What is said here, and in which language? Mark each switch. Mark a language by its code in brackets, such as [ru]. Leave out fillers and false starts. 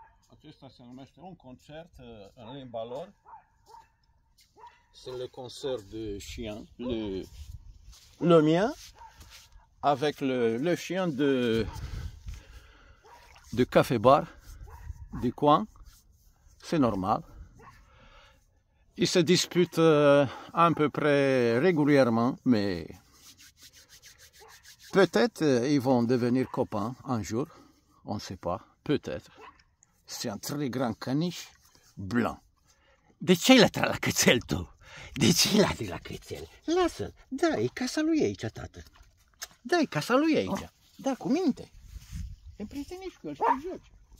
[ro] Acesta se numește un concert în limba lor. [fr] C'est le concert de chien, le mien, avec le chien de café bar. Du coin, c'est normal. Ils se disputent à peu près régulièrement, mais peut-être ils vont devenir copains un jour, on ne sait pas, peut-être. C'est un très grand caniche blanc. [ro] De ce il a la cățel, tu? De ce il a de la cățel? Lasă-l, dai, casa lui aici, tată. Dai, casa lui aici. Oh. Da, cu minte. Te împrietenești cu el și te joci.